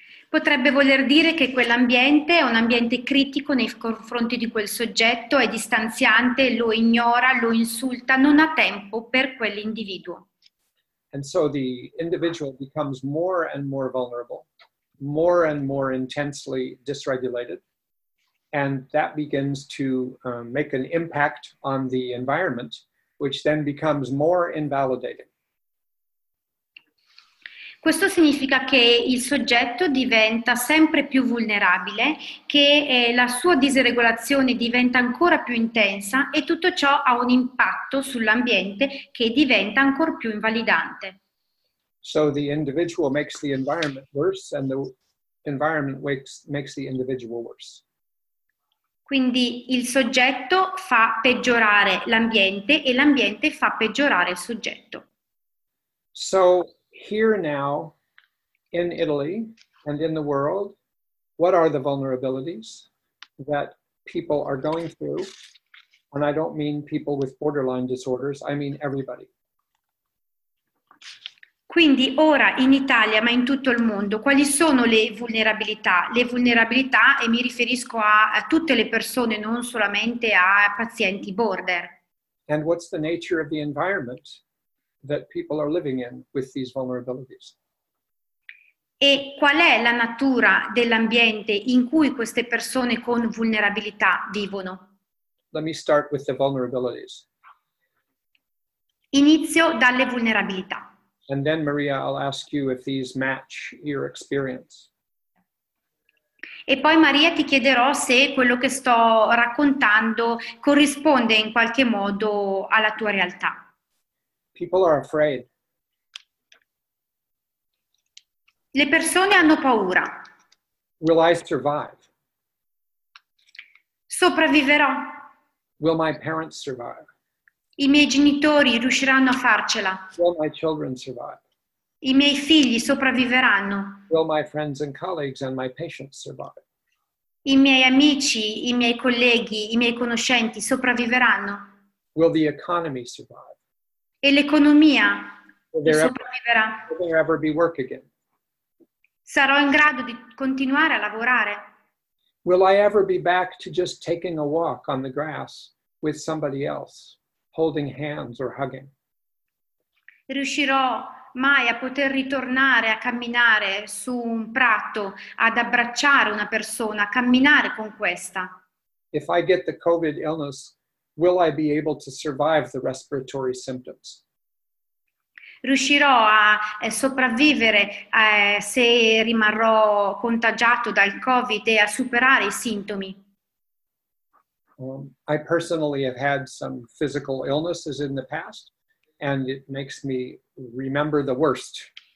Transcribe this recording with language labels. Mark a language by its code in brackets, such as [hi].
[it] Potrebbe voler dire che quell'ambiente è un ambiente critico nei confronti di quel soggetto, è distanziante, lo ignora, lo insulta, non ha tempo per quell'individuo. [en] And so the individual becomes more and more vulnerable, more and more intensely dysregulated, and that begins to make an impact on the environment, which then becomes more invalidating. [it] Questo significa che il soggetto diventa sempre più vulnerabile, che la sua disregolazione diventa ancora più intensa, e tutto ciò ha un impatto sull'ambiente che diventa ancora più invalidante. [en] So the individual makes the environment worse, and the environment makes the individual worse. [it] Quindi il soggetto fa peggiorare l'ambiente e l'ambiente fa peggiorare il soggetto. [en] So here now, in Italy and in the world, what are the vulnerabilities that people are going through? And I don't mean people with borderline disorders, I mean everybody. [it] Quindi ora in Italia, ma in tutto il mondo, quali sono le vulnerabilità? Le vulnerabilità, e mi riferisco a tutte le persone, non solamente a pazienti border. [en] And what's the nature of the environment that people are living in with these vulnerabilities? [it] E qual è la natura dell'ambiente in cui queste persone con vulnerabilità vivono? [en] Let me start with the vulnerabilities. [it] Inizio dalle vulnerabilità. [en] And then, Maria, I'll ask you if these match your experience. [it] E poi, Maria, ti chiederò se quello che sto raccontando corrisponde in qualche modo alla tua realtà. [en] People are afraid. [it] Le persone hanno paura. [en] Will I survive? [it] Sopravviverò. [en] Will my parents survive? [it] I miei genitori riusciranno a farcela. [en] Will my children survive? [it] I miei figli sopravviveranno. [en] Will my friends and colleagues and my patients survive? [it] I miei amici, i miei colleghi, i miei conoscenti sopravviveranno. [en] Will the economy survive? [it] E l'economia sopravviverà. [en] Will there ever be work again? [it] Sarò in grado di continuare a lavorare? [en] Will I ever be back to just taking a walk on the grass with somebody else? Holding hands or hugging. [it] Riuscirò mai a poter ritornare a camminare su un prato, ad abbracciare una persona, a camminare con questa. [en] If I get the COVID illness, will I be able to survive the respiratory symptoms? [it] Riuscirò a sopravvivere se rimarrò contagiato dal COVID e a superare i sintomi. [en] I personally have had some physical illnesses in the past, and it makes me remember the worst.